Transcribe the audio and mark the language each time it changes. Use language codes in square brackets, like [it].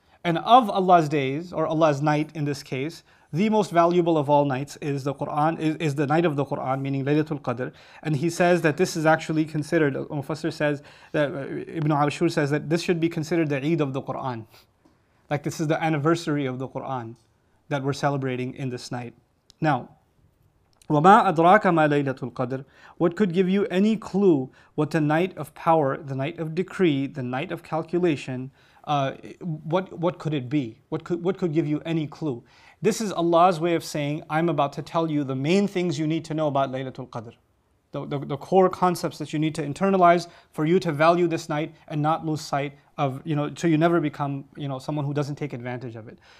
[en] And of Allah's days, or Allah's night in this case, the most valuable of all nights is the Qur'an, is the night of the Qur'an, meaning Laylatul Qadr. And he says that this is actually considered, Mufassir says, that Ibn Ashur says that this should be considered the Eid of the Qur'an. Like this is the anniversary of the Qur'an that we're celebrating in this night. [ar] Now, وَمَا أَدْرَاكَ مَا لَيْلَةُ الْقَدْرِ. [en] What could give you any clue what the night of power, the night of decree, the night of calculation, what could it be? What could give you any clue? This is Allah's way of saying, I'm about to tell you the main things you need to know about Laylatul Qadr. The core concepts that you need to internalize for you to value this night and not lose sight of, you know, so you never become, you know, someone who doesn't take advantage of it.